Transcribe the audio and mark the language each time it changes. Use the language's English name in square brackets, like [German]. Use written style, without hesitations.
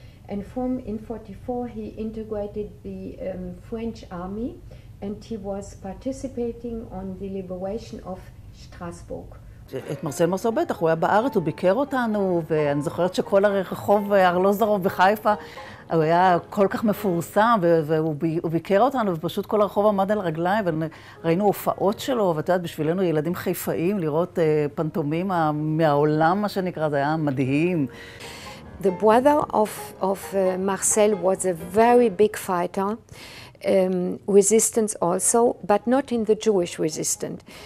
[English] And from in 44 he integrated the French army, and he was participating on the liberation of Strasbourg. [Hebrew] את מרסל מרסו בטח, הוא היה בארץ, הוא ביקר אותנו, ואני זוכרת שכל הרחוב ארלוזרוב בחיפה, הוא היה כל כך מפורסם, והוא ביקר אותנו, ופשוט כל הרחוב עמד על רגליים, וראינו הופעות שלו, ואת יודעת, בשבילנו ילדים חיפאים, לראות פנטומימה מהעולם, מה שנקרא, זה היה מדהים. [English] The brother of Marcel was a very big fighter, resistance also, but not in the Jewish resistance.